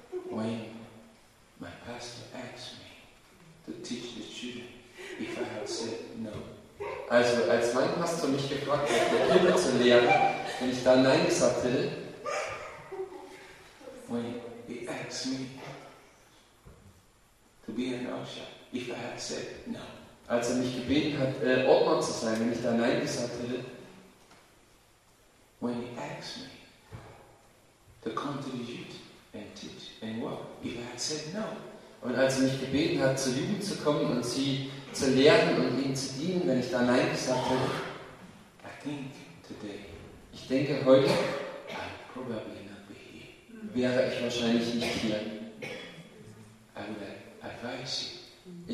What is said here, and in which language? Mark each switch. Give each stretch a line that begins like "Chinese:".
English: When my pastor asked me to teach the children, if I had said no.
German: Also, als mein Pastor mich gefragt hat, die Kinder zu lehren, wenn ich dann nein gesagt hätte.
English: When he asked me to be an usher, if I had said no.
German: Als mich gebeten hat, Ordner zu sein, wenn ich da nein gesagt hätte.
English: When he asked me to contribute and teach and work, if I had said no.
German: Und als mich gebeten hat, zur Jugend zu kommen und sie zu lehren und ihnen zu dienen, wenn ich da nein gesagt hätte.
English: I think today,
German: ich denke heute,
English: I'd probably not be here.
German: Wäre ich wahrscheinlich nicht hier.
English: I would advise you.